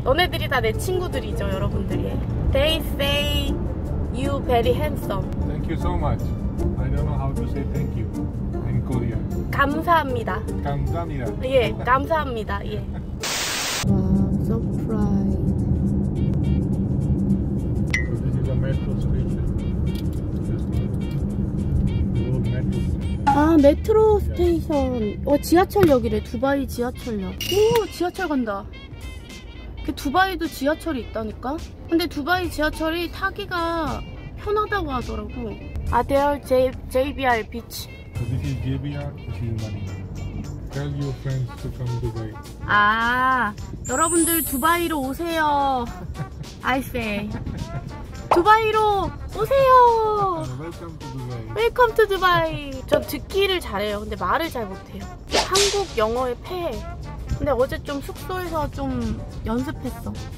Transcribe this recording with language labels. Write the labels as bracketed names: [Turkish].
[Korean] 너네들이 다 내 친구들이죠, 여러분들이. [English] They say you very handsome. Thank you so much. I don't know how to say thank you in Korean. [Korean] 감사합니다. 감사합니다. 예, 감사합니다. 예. [English] Surprise. This is a metro station. This metro. [Korean] 아, 메트로 스테이션. 지하철역이래. 두바이 지하철역. 오, 지하철 간다. 그 두바이도 지하철이 있다니까. 근데 두바이 지하철이 타기가 편하다고 하더라고. 아델 JBR 비치. [English] So this is JBR. This is money. Tell your friends to come to Dubai. [Korean] 아, 여러분들 두바이로 오세요. [English] I say. [Korean] 두바이로 오세요. [English] Welcome to Dubai. [Korean] 전 듣기를 잘해요. 근데 말을 잘 못해요. 한국 영어의 폐해. 근데 어제 좀 숙소에서 좀 연습했어.